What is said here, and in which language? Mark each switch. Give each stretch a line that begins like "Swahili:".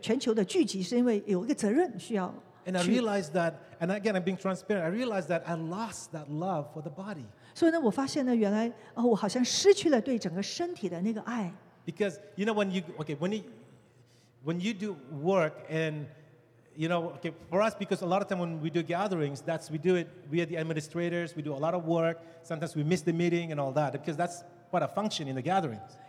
Chinese: 就我参加一些的那个全球的聚集，是因为有一个责任需要。
English: And I realize that, and again, I'm being transparent. I realize that I lost that love for the body.
Chinese: 所以呢，我发现呢，原来我好像失去了对整个身体的那个爱。
English: Because you know when you do work and you know okay for us because a lot of time when we do gatherings that's we do it we are the administrators we do a lot of work sometimes we miss the meeting and all that because that's what a function in the gatherings.